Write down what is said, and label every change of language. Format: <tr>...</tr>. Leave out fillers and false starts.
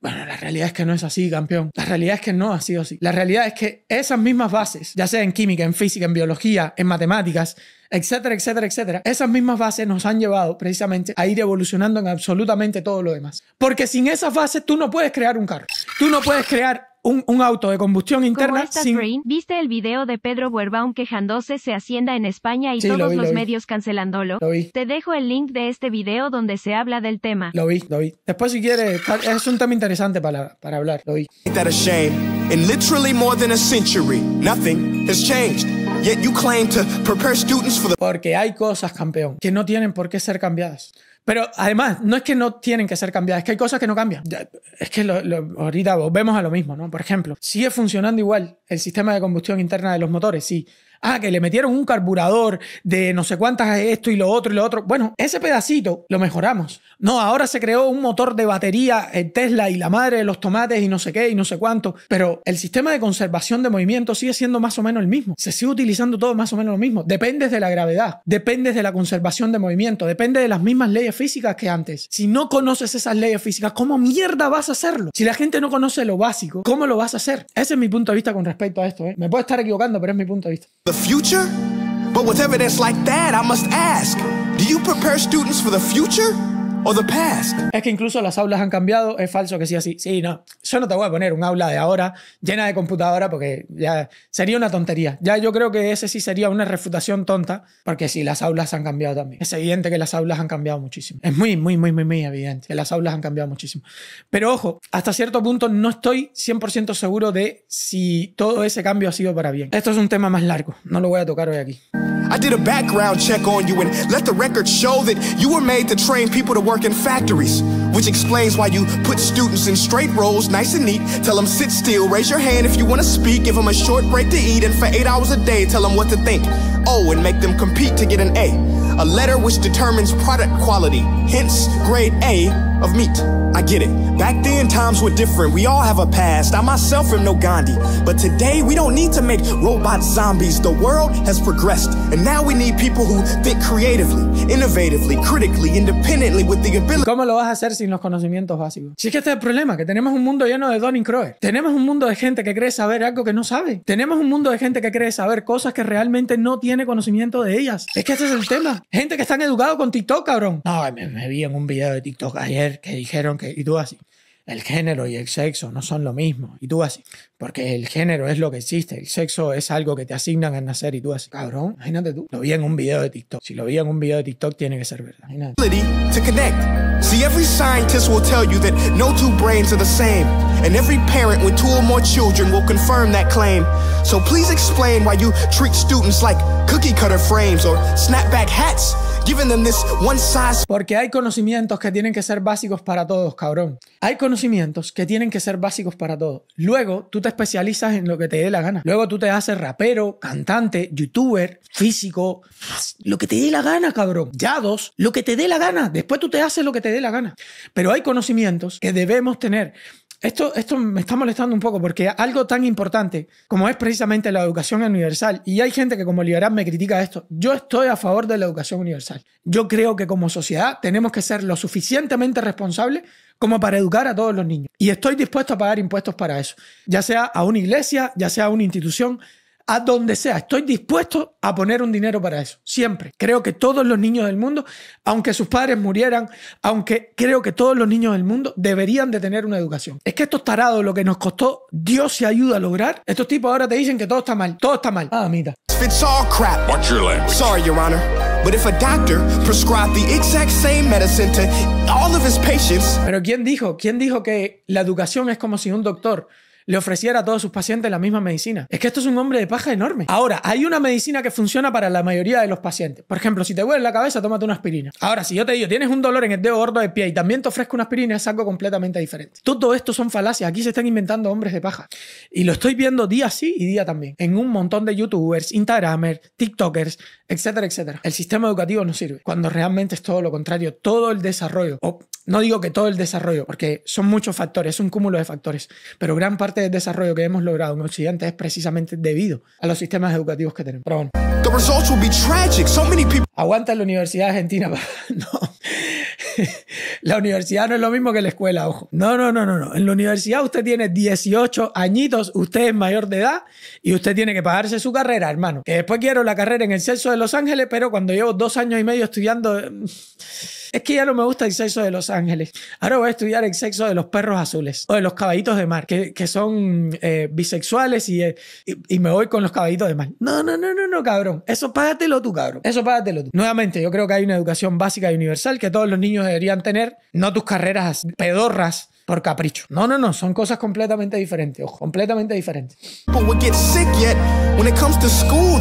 <es>Bueno, la realidad es que no es así, campeón. La realidad es que no ha sido así. La realidad es que esas mismas bases, ya sea en química, en física, en biología, en matemáticas, etcétera, etcétera, etcétera, esas mismas bases nos han llevado precisamente a ir evolucionando en absolutamente todo lo demás. Porque sin esas bases tú no puedes crear un carro. Tú no puedes crear un auto de combustión interna. ¿Cómo estás, sin... Green? ¿Viste el video de Pedro Buerbaum quejándose de Hacienda en España y todos los medios cancelándolo? Lo vi. Te dejo el link de este video donde se habla del tema. Lo vi. Después, si quieres, es un tema interesante para hablar. Lo vi.</es> <en>Ain't that a shame? In literally more than a century, nothing has changed. Yet you claim to prepare students for the...</en> <es>Porque hay cosas, campeón, que no tienen por qué ser cambiadas. Pero además, no es que no tienen que ser cambiadas, es que hay cosas que no cambian. Es que ahorita volvemos a lo mismo, ¿no? Por ejemplo, ¿sigue funcionando igual el sistema de combustión interna de los motores? Sí. Ah, que le metieron un carburador de no sé cuántas esto y lo otro y lo otro. Bueno, ese pedacito lo mejoramos. No, ahora se creó un motor de batería en Tesla y la madre de los tomates y no sé qué y no sé cuánto. Pero el sistema de conservación de movimiento sigue siendo más o menos el mismo. Se sigue utilizando todo más o menos lo mismo. Dependes de la gravedad. Dependes de la conservación de movimiento. Depende de las mismas leyes físicas que antes. Si no conoces esas leyes físicas, ¿cómo mierda vas a hacerlo? Si la gente no conoce lo básico, ¿cómo lo vas a hacer? Ese es mi punto de vista con respecto a esto, ¿eh? Me puedo estar equivocando, pero es mi punto de vista.</es> <en>The future? But with evidence like that, I must ask, do you prepare students for the future or the past?</en> <es>Es que incluso las aulas han cambiado, es falso que sea así. Sí, no. Yo no te voy a poner un aula de ahora llena de computadora porque ya sería una tontería. Ya yo creo que ese sí sería una refutación tonta, porque sí, las aulas han cambiado también. Es evidente que las aulas han cambiado muchísimo. Es muy, muy, muy, muy, muy evidente que las aulas han cambiado muchísimo. Pero ojo, hasta cierto punto no estoy 100% seguro de si todo ese cambio ha sido para bien. Esto es un tema más largo. No lo voy a tocar hoy aquí.</es> <en>I did a background check on you and let the record show that you were made to train people to work in factories, which explains why you put students in straight rows, nice and neat, tell them sit still, raise your hand if you want to speak, give them a short break to eat, and for 8 hours a day, tell them what to think. Oh, and make them compete to get an A, a letter which determines product quality, hence grade A of meat. I get it. Back then, times were different. We all have a past. I myself am no Gandhi. But today, we don't need to make robot zombies. The world has progressed. And now we need people who think creatively, innovatively, critically, independently, with the ability...</en> <es>¿Cómo lo vas a hacer sin los conocimientos básicos? Si es que este es el problema, que tenemos un mundo lleno de Dunning-Kruger. Tenemos un mundo de gente que cree saber algo que no sabe. Tenemos un mundo de gente que cree saber cosas que realmente no tiene conocimiento de ellas. Es que ese es el tema. Gente que están educados con TikTok, cabrón. Ay, me vi en un video de TikTok ayer que dijeron que... Y tú así. El género y el sexo no son lo mismo. Y tú así. Porque el género es lo que existe. El sexo es algo que te asignan al nacer. Y tú así. Cabrón, imagínate tú. Lo vi en un video de TikTok. Si lo vi en un video de TikTok, tiene que ser verdad. Imagínate.</es> <en>See, every scientist will tell you that no two brains are the same. And every parent with two or more children will confirm that claim. So please explain why you treat students like cookie cutter frames or snapback hats, giving them this one size...</en> <es>Porque hay conocimientos que tienen que ser básicos para todos, cabrón. Hay conocimientos que tienen que ser básicos para todos. Luego, tú te especializas en lo que te dé la gana. Luego tú te haces rapero, cantante, youtuber, físico, lo que te dé la gana, cabrón. Ya dos, lo que te dé la gana. Después tú te haces lo que te dé la gana. Pero hay conocimientos que debemos tener. Esto me está molestando un poco porque algo tan importante como es precisamente la educación universal, y hay gente que como liberal me critica esto, yo estoy a favor de la educación universal. Yo creo que como sociedad tenemos que ser lo suficientemente responsables como para educar a todos los niños. Y estoy dispuesto a pagar impuestos para eso, ya sea a una iglesia, ya sea a una institución, a donde sea. Estoy dispuesto a poner un dinero para eso. Siempre. Creo que todos los niños del mundo, aunque sus padres murieran, aunque creo que todos los niños del mundo deberían de tener una educación. Es que estos tarados, lo que nos costó, Dios se ayuda a lograr. Estos tipos ahora te dicen que todo está mal. Todo está mal. Ah, mira.</es> <en>It's all crap. Watch your language. Sorry, Your Honor. But if a doctor prescribed the exact same medicine to all of his patients...</en> <es>Pero ¿quién dijo que la educación es como si un doctor le ofreciera a todos sus pacientes la misma medicina? Es que esto es un hombre de paja enorme. Ahora, hay una medicina que funciona para la mayoría de los pacientes. Por ejemplo, si te duele la cabeza, tómate una aspirina. Ahora, si yo te digo, tienes un dolor en el dedo gordo del pie y también te ofrezco una aspirina, es algo completamente diferente. Todo esto son falacias. Aquí se están inventando hombres de paja. Y lo estoy viendo día sí y día también. En un montón de youtubers, instagramers, tiktokers, etcétera, etcétera. El sistema educativo no sirve. Cuando realmente es todo lo contrario. Todo el desarrollo. No digo que todo el desarrollo, porque son muchos factores, es un cúmulo de factores, pero gran parte del desarrollo que hemos logrado en Occidente es precisamente debido a los sistemas educativos que tenemos. Pero bueno.</es> <en>The results will be tragic. So many people...</en> <es>Aguanta la Universidad Argentina. No. la universidad no es lo mismo que la escuela, ojo. No. En la universidad usted tiene 18 añitos, usted es mayor de edad y usted tiene que pagarse su carrera, hermano. Que después quiero la carrera en el Celso de Los Ángeles, pero cuando llevo 2 años y medio estudiando... Es que ya no me gusta el sexo de Los Ángeles. Ahora voy a estudiar el sexo de los perros azules o de los caballitos de mar, que son bisexuales y me voy con los caballitos de mar. No, cabrón. Eso págatelo tú, cabrón. Nuevamente, yo creo que hay una educación básica y universal que todos los niños deberían tener, no tus carreras pedorras por capricho. No. Son cosas completamente diferentes. Ojo, completamente diferentes.</es> <en>But we get sick yet when it comes to school.</en>